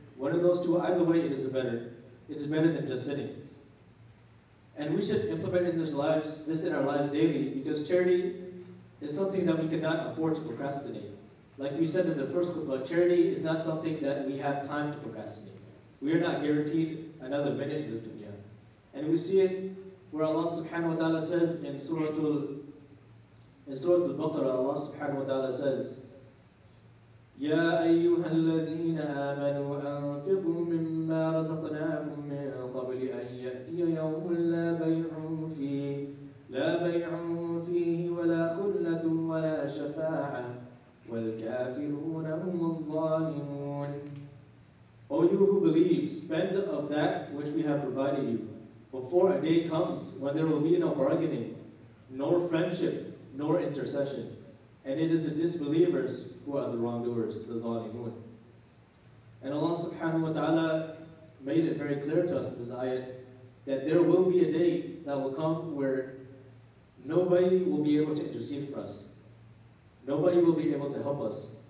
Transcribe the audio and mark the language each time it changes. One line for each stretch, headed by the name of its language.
English: One of those two, either way, it is better than just sinning. And we should implement this in our lives daily, because charity is something that we cannot afford to procrastinate. Like we said in the first khutbah, charity is not something that we have time to procrastinate. We are not guaranteed another minute in this dunya. And we see it where Allah subhanahu wa ta'ala says
Arabic: in Surah Al-Baqarah, Allah subhanahu wa ta'ala says, يَا أَيُّهَا الَّذِينَ آمَنُوا أَنْفِقُوا مِمَّا رَزَقْنَاكُمْ مِنْ قَبْلِ أَنْ يَأْتِيَ يَوْمٌ لَا بَيْعٌ فِيهِ لا بيع فيه ولا خلة ولا شفاعة والكافرون هم الظالمون.
English: O you who believe, spend of that which we have provided you before a day comes when there will be no bargaining, nor friendship, nor intercession. And it is the disbelievers who are the wrongdoers, the ظالمون. And Allah subhanahu wa ta'ala made it very clear to us in this ayat that there will be a day that will come where nobody will be able to intercede for us. Nobody will be able to help us.